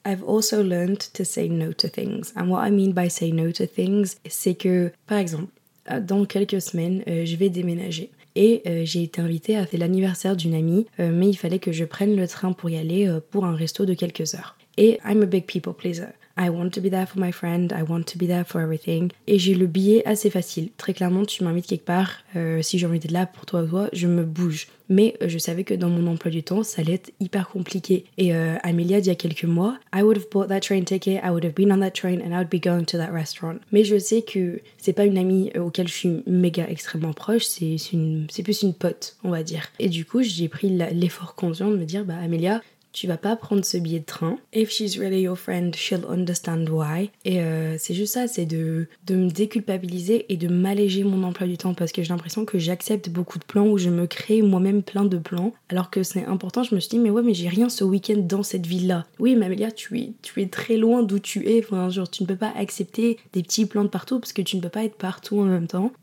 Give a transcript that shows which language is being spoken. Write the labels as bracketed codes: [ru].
[en] I've also learned to say no to things and what I mean by say no to things [fr] c'est que par exemple dans quelques semaines, je vais déménager. Et j'ai été invitée à faire l'anniversaire d'une amie, mais il fallait que je prenne le train pour y aller pour un resto de quelques heures. Et [en] I'm a big people pleaser. I want to be there for my friend, I want to be there for everything. [fr] Et j'ai le billet assez facile. Très clairement, tu m'invites quelque part, si j'ai envie d'être là pour toi ou toi, je me bouge. Mais je savais que dans mon emploi du temps, ça allait être hyper compliqué. Et Amelia, il y a quelques mois, [en] I would have bought that train ticket, I would have been on that train and I would be going to that restaurant. [fr] Mais je sais que c'est pas une amie auquel je suis méga extrêmement proche, c'est plus une pote, on va dire. Et du coup, j'ai pris l'effort conscient de me dire, bah Amelia... tu vas pas prendre ce billet de train. [en] If she's really your friend, she'll understand why. [fr] Et c'est juste ça, c'est de me déculpabiliser et de m'alléger mon emploi du temps parce que j'ai l'impression que j'accepte beaucoup de plans ou je me crée moi-même plein de plans. Alors que c'est important, je me suis dit, mais ouais, mais j'ai rien ce week-end dans cette ville-là. Oui, mais Amelia, tu es très loin d'où tu es. Enfin, genre, tu ne peux pas accepter des petits plans de partout parce que tu ne peux pas être partout en même temps.